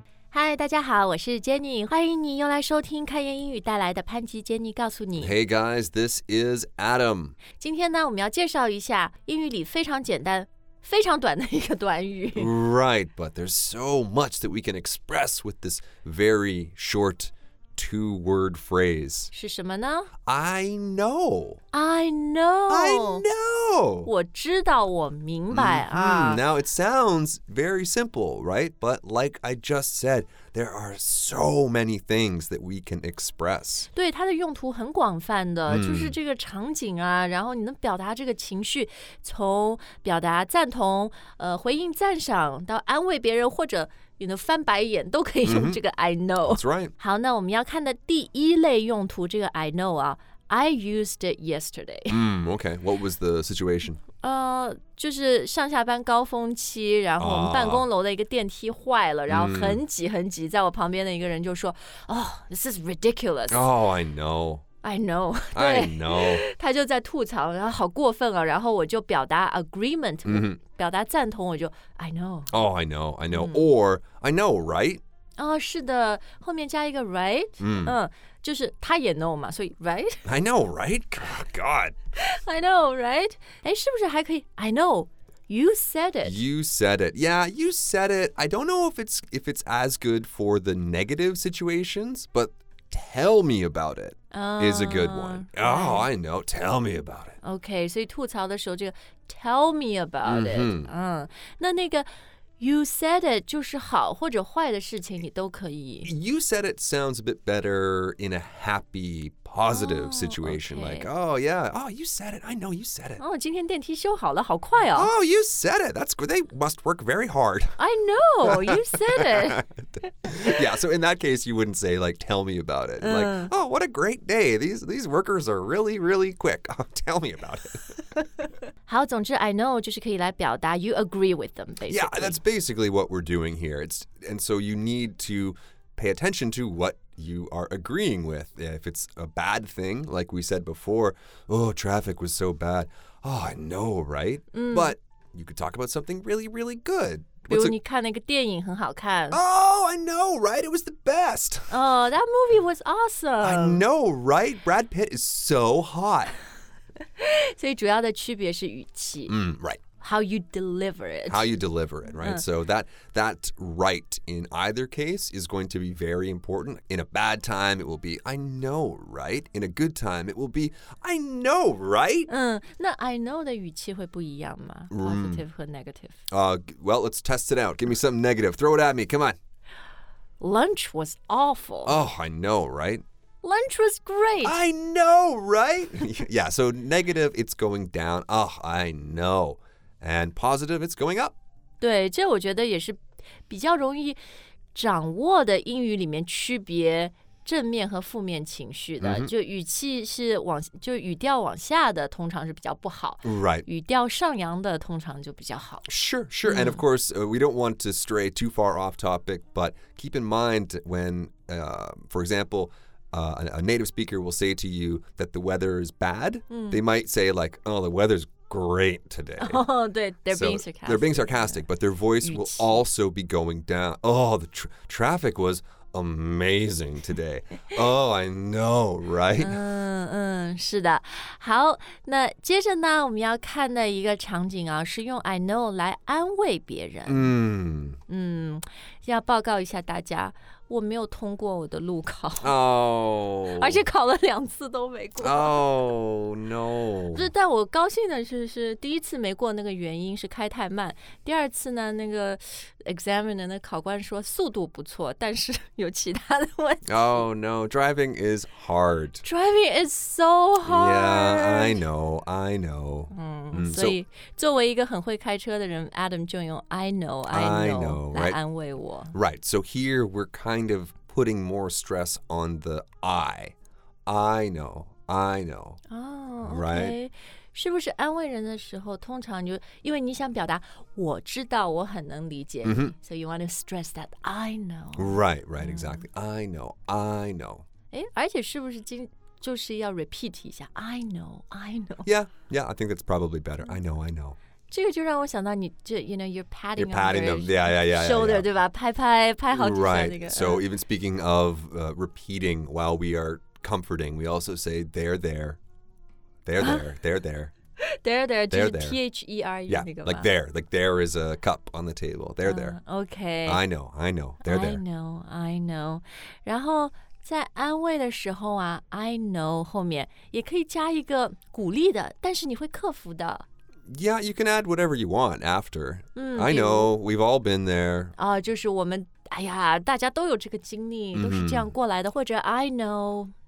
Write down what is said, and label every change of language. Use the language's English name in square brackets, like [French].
[Chinese] 嗨，大家好，我是 Jenny， 欢迎你又来收听开言英语带来的潘吉 Jenny 告诉你。 [English] Hey guys, this is Adam. [Chinese] 今天呢，我们要介绍一下英语里非常简单、非常短的一个短语。 [English] Right, but there's so much that we can express with this very short two-word phrase. [Chinese] 是什么呢 [English] ？I know. I know. I know. [Chinese] 我知道，我明白啊。 [English] Now it sounds very simple, right? But like I just said, there are so many things that we can express. [Chinese] 对，它的用途很广泛的，就是这个场景啊，然后你能表达这个情绪，从表达赞同、回应赞赏，到安慰别人，或者You know, 翻白眼都可以用这个 I know. [English] That's right. [Chinese] 好，那我们要看的第一类用途，这个 I know 啊 ， [English] I used it yesterday. Okay. What was the situation? [Chinese] 就是上下班高峰期，然后我们办公楼的一个电梯坏了，然后很挤很挤，在我旁边的一个人就说 ， [English] Oh, this is ridiculous. Oh, I know. I know. I know. [Chinese] 他就在吐槽，然后好过分啊！然后我就表达 agreement，、表达赞同，我就 I know. [English] Oh, I know, I know.、Or I know, right? [Chinese] 哦，是的，后面加一个 right. 就是他也 know 嘛，所以 right. [English] I know, right? God. I know, right? [Chinese] 哎，是不是还可以 I know? [English] You said it. You said it. Yeah, you said it. I don't know if it's as good for the negative situations, but tell me about it. Is a good one. Oh, I know. Tell me about it. [Chinese] Okay, 所以吐槽的时候就 [English] tell me about it. [Chinese] 那个 [English] you said it [Chinese] 就是好或者坏的事情你都可以。 [English] You said it sounds a bit better in a happy, positive situation. Okay. Like, oh, yeah. Oh, you said it. I know you said it. [Chinese] 哦，今天电梯修好了，好快哦。 [English] Oh, you said it. That's great. They must work very hard. I know. You said it. Yeah, so in that case, you wouldn't say, like, tell me about it. Like, oh, what a great day. These workers are really, really quick. Tell me about it. 好，总之 I know 就是可以来表达 you agree with them, basically. Yeah, that's basically what we're doing here. And so you need to pay attention to what you are agreeing with. If it's a bad thing, like we said before, oh, traffic was so bad. Oh, I know, right? But you could talk about something really, really good. [Chinese] 比如你看那个电影很好看。 [English] Oh, I know, right? It was the best. Oh, that movie was awesome. I know, right? Brad Pitt is so hot. [Chinese] 所以主要的区别是语气。 [English] Right. How you deliver it. How you deliver it, right? So that right in either case is going to be very important. In a bad time, it will be, I know, right? In a good time, it will be, I know, right? [Chinese] 那 I know 的语气会不一样吗 ?Positive 和 negative. [English] Well, let's test it out. Give me something negative. Throw it at me. Come on. Lunch was awful. Oh, I know, right? Lunch was great. I know, right? Yeah, so negative, it's going down. Oh, I know. And positive, it's going up. [Chinese] 对，这我觉得也是比较容易掌握的英语里面区别正面和负面情绪的。就语气是往，就语调往下的通常是比较不好。 [English] Right. [Chinese] 语调上扬的通常就比较好。 [English] Sure, sure. And of course, we don't want to stray too far off topic, but keep in mind when, for example,a native speaker will say to you that the weather is bad. They might say like, oh, the weather's great today. Oh, 对, they're being sarcastic. They're being sarcastic, but their voice will also be going down. Oh, the traffic was amazing today. Oh, I know, right? [Chinese] 是的。好，那接着呢，我们要看的一个场景啊，是用 I know 来安慰别人。要报告一下大家。我没有通过我的路考哦、而且考了两次都没过哦、no 但我高兴的是第一次没过那个原因是开太慢第二次呢那个 examiner 的考官说速度不错但是有其他的问题 [English] oh no driving is hard driving is so hard yeah I know、 [Chinese] 所以作为一个很会开车的人 Adam 就用 I know 来安慰我 [English] right so here we'reKind of putting more stress on the I know. Oh, okay. Right? [Chinese] 是不是安慰人的时候，通常就因为你想表达我知道，我很能理解。 [English] So you want to stress that I know. Right, right, exactly. I know. [Chinese] 哎，而且是不是今就是要 repeat 一下 I know. [English] Yeah, I think that's probably better. I know. [Chinese] 这个就让我想到你这 [English] you know, you're patting, you're patting them, yeah, yeah, yeah, shoulder, yeah, yeah. [Chinese] 对吧拍拍拍好几下、 [English] right. [Chinese] 那个、 [English] So even speaking of、repeating while we are comforting, we also say they're there, they're there, they're there. There, there, there, just there. T-H-E-R-E. Yeah, like there is a cup on the table. There, there. Okay. I know, there, there. I know. [Chinese] 然后在安慰的时候啊 I know 后面也可以加一个鼓励的但是你会克服的 [English] Yeah, you can add whatever you want after.、嗯、 I know, we've all been there.、 [Chinese] 就是我们哎呀大家都有这个经历、 mm-hmm. 都是这样过来的或者 I know...